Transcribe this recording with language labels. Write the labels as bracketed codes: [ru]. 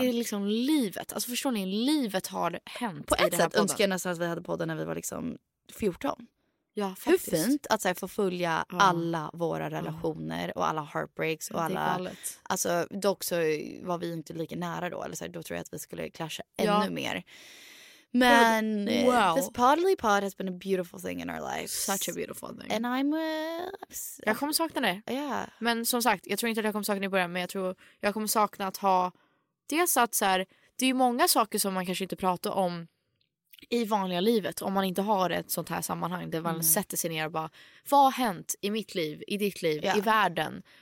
[sv] Det är liksom livet, alltså förstår ni, livet har hänt på ett sätt podden. Önskar jag nästan att vi hade podden när vi var liksom 14. Ja, faktiskt. Hur fint att så här, få följa alla våra relationer och alla heartbreaks och alla, alltså dock så var vi inte lika nära då, eller så här, då tror jag att vi skulle clasha ännu mer. Men [en] this podly pod has been a beautiful thing in our lives. Such a beautiful thing. And [sv] jag kommer sakna det. [en] Yeah. [sv] Men som sagt, jag tror inte att jag kommer sakna det i början, men jag tror jag kommer sakna att ha dels att så här, det är ju många saker som man kanske inte pratar om i vanliga livet, om man inte har ett sånt här sammanhang där man sätter sig ner och bara, vad har hänt i mitt liv, i ditt liv, i världen,